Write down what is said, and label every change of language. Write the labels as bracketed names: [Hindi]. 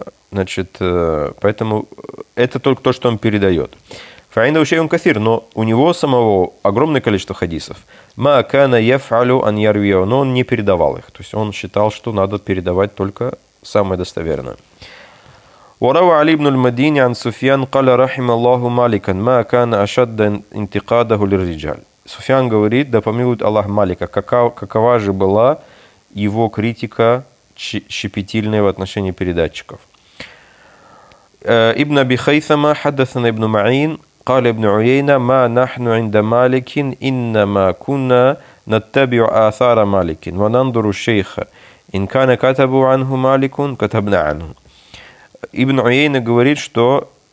[Russian] Значит, поэтому это только то, что он передает. [Arabic] «Фаиндаху шей ун кафир». [Russian] Но у него самого огромное количество хадисов. [Arabic] «Ма кана яфалю ан ярвио». [Russian] Но он не передавал их. То есть он считал, что надо передавать только самое достоверное. [Arabic] وروى علي بن المديني عن سفيان قال رحم الله مالكا ما كان أشد انتقاده للرجال. [Russian] سفيان говорит, да помилует Аллах Малика, какова же была его критика щепетильная в отношении передатчиков. [Arabic] ابن أبي خيثمة حدثنا ابن معين قال ابن عيينة ما نحن عند مالك إنما كنا نتبع آثار مالك وننظر الشيخ إن كان كتب عنه مالك كتبنا عنه. [Russian] Ибн Уйейна говорит, что